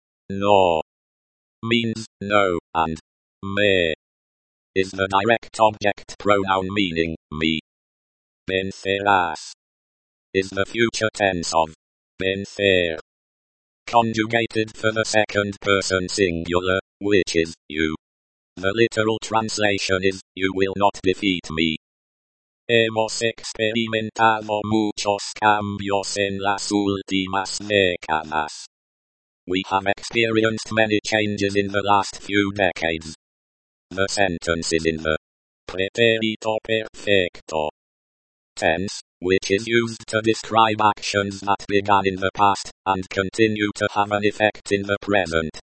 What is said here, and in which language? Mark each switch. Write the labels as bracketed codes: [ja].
[en] No means, no, and me is the direct object pronoun meaning, me. Vencerás is the future tense of vencer, conjugated for the second person singular, which is you. The literal translation is, you will not defeat me. [es] Hemos experimentado muchos cambios en las últimas décadas. [en] We have experienced many changes in the last few decades. The sentence is in the pretérito perfecto tense, which is used to describe actions that began in the past, and continue to have an effect in the present.